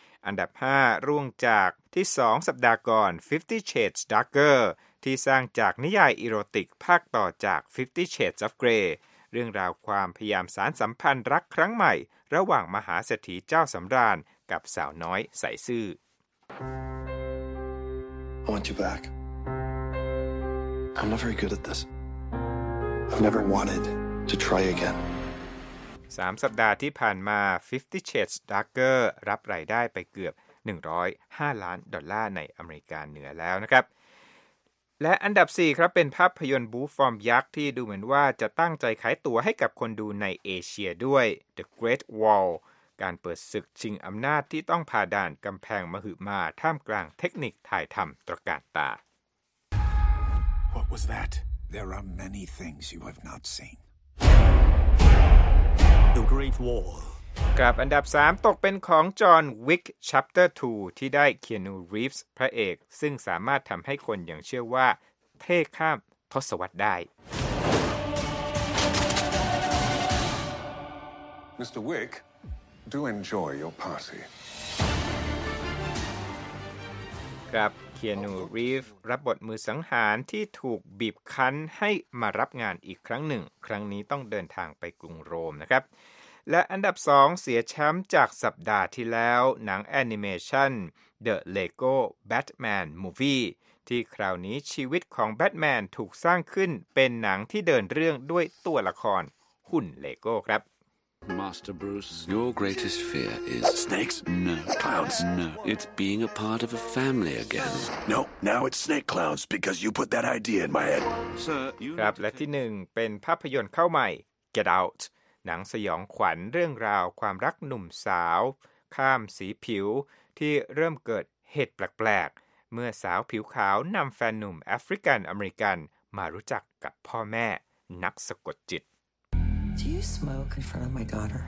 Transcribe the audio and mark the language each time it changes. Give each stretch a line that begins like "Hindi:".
Thai: อันดับ5ร่วงจากที่2สัปดาห์ก่อน Fifty Shades Darker ที่สร้างจากนิยายอีโรติกภาคต่อจาก Fifty Shades of Grey เรื่องราวความพยายามสานสัมพันธ์รักครั้งใหม่ระหว่างมหาเศรษฐีเจ้าสำราญกับสาวน้อยใสซื่อ
English: I want you back. I'm not very good at this. I've never wanted to try again.
Thai: 3 สัปดาห์ที่ผ่านมา Fifty Shades Darker รับรายได้ไปเกือบ105ล้านดอลลาร์ในอเมริกาเหนือแล้วนะครับและอันดับ4ครับเป็นภาพยนตร์บู๊ฟอร์มยักษ์ที่ดูเหมือนว่าจะตั้งใจขายตัวให้กับคนดูในเอเชียด้วย The Great Wall การเปิดศึกชิงอำนาจที่ต้องผ่าด่านกำแพงมหึมาท่ามกลางเทคนิคถ่ายทำตระการตา
English: What was that? There are many things you have not seen. The Great Wall.
Thai: กับอันดับ3ตกเป็นของจอห์นวิก Chapter 2ที่ได้เคียนูรีฟส์พระเอกซึ่งสามารถทำให้คนอย่างเชื่อว่าเท่ข้ามทศวรรษได้ Mr. Wick.
English: Do enjoy your party.
Thai: ครับ Keanu Reeves รับบทมือสังหารที่ถูกบีบคั้นให้มารับงานอีกครั้งหนึ่งครั้งนี้ต้องเดินทางไปกรุงโรมนะครับและอันดับ2เสียแชมป์จากสัปดาห์ที่แล้วหนังแอนิเมชัน The Lego Batman Movie ที่คราวนี้ชีวิตของแบทแมนถูกสร้างขึ้นเป็นหนังที่เดินเรื่องด้วยตัวละครหุ่นเลโก้ครับ
English: Master Bruce, your greatest fear is snakes. No clouds. No, it's being a part of a family again. No, now it's snake clouds because you put that idea in my head.
Thai: ครับและที่หนึ่งเป็นภาพยนตร์เข้าใหม่ Get Out หนังสยองขวัญเรื่องราวความรักหนุ่มสาวข้ามสีผิวที่เริ่มเกิดเหตุแปลกๆเมื่อสาวผิวขาวนำแฟนหนุ่มแอฟริกันอเมริกันมารู้จักกับพ่อแม่นักสะกดจิต
English: Do you smoke in front of my daughter?